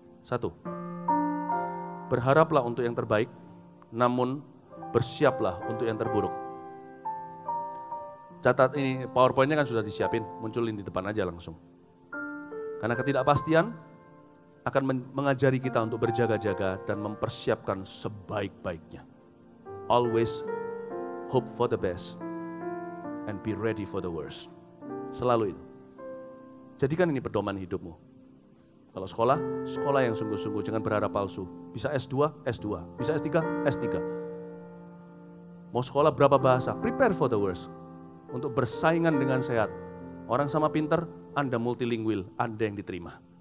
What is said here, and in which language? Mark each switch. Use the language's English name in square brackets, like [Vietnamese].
[Indonesian] Satu, berharaplah untuk yang terbaik, namun bersiaplah untuk yang terburuk. Catat ini, PowerPoint-nya kan sudah disiapin, munculin di depan aja langsung. Karena ketidakpastian akan mengajari kita untuk berjaga-jaga dan mempersiapkan sebaik-baiknya. [English] Always hope for the best and be ready for the worst. [Indonesian] Selalu itu. Jadikan ini pedoman hidupmu. Kalau sekolah, sekolah yang sungguh-sungguh. Jangan berharap palsu. Bisa S2, S2. Bisa S3, S3. Mau sekolah berapa bahasa? [English] Prepare for the worst. [Indonesian] Untuk bersaingan dengan sehat. Orang sama pinter, Anda multilingual, Anda yang diterima.